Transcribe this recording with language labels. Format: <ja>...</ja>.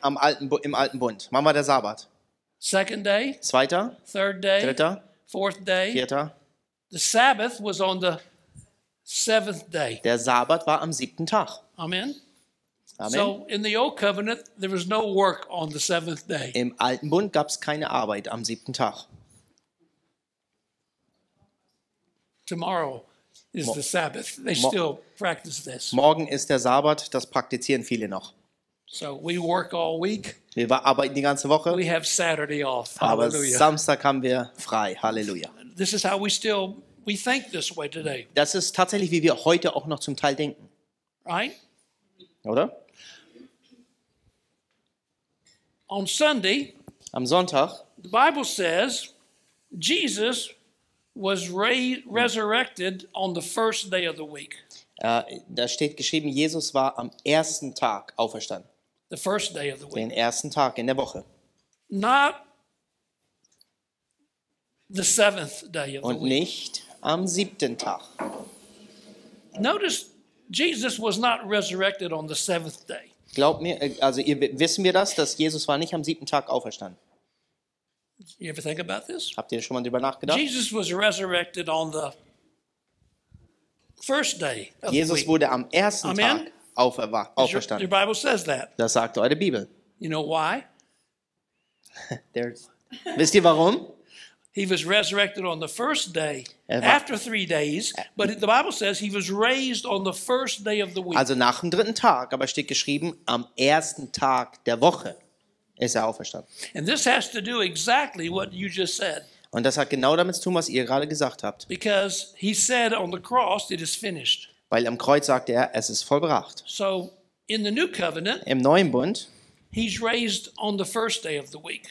<de>Im alten Bund. Wann war der Sabbat?</de> <en>Second day.</en> <de>Zweiter.</de> <en>Third day.</en> <de>Dritter.</de> <en>Fourth day.</en> <de>Vierter.</de> <en>The Sabbath was on the seventh day.</en> <de>Der Sabbat war am siebten Tag. Amen. Amen.</de> <en>So in the old covenant there was no work on the seventh day.</en> <de>Im alten Bund gab's keine Arbeit am siebten Tag.</de> <en>Tomorrow is the Sabbath. They still practice this.</en> <de>Morgen ist der Sabbat, das praktizieren viele noch.</de> <en>So we work all week.</en> <de>Wir arbeiten die ganze Woche.</de> <en>We have Saturday off.</en> <de>Aber Samstag haben wir frei. Halleluja.</de> <en>This is how we think this way today.</en> <de>Das ist tatsächlich, wie wir heute auch noch zum Teil denken.</de> <en>Right?</en> <de>Oder?</de> <en>On Sunday,</en> <de>am Sonntag,</de> <en>the Bible says Jesus was resurrected on the first day of the week.</en> <de>Da steht geschrieben, Jesus war am ersten Tag auferstanden.</de> <en>The first day of the week.</en> <de>Den ersten Tag in der Woche.</de> <en>Not the seventh day of the week.</en> <de>Und nicht am siebten Tag.</de> <en>Notice Jesus was not resurrected on the seventh day.</en> <de>Glaubt mir, also wissen wir das, dass Jesus war nicht am siebten Tag auferstanden.</de> <en>You ever think about this?</en> <de>Habt ihr schon mal darüber nachgedacht?</de> <en>Jesus was resurrected on the first day.</en> <de>Jesus wurde am ersten Tag auferstanden.</de> <en>Your Bible says that.</en> <de>Das sagt eure Bibel.</de> <en>You know why?</en> <de>Wisst ihr warum?</de> <en>He was resurrected on the first day after 3 days, but the Bible says he was raised on the first day of the week.</en> <de>Also nach dem dritten Tag, aber steht geschrieben, am ersten Tag der Woche ist er auferstanden.</de> <en>And this has to do exactly what you just said.</en> <de>Und das hat genau damit zu tun, was ihr gerade gesagt habt.</de> <en>Because he said on the cross it is finished.</en> <de>Weil am Kreuz sagte er, es ist vollbracht.</de> <en>So in the new covenant,</en> <de>im neuen Bund,</de> <en>he's raised on the first day of the week.</en>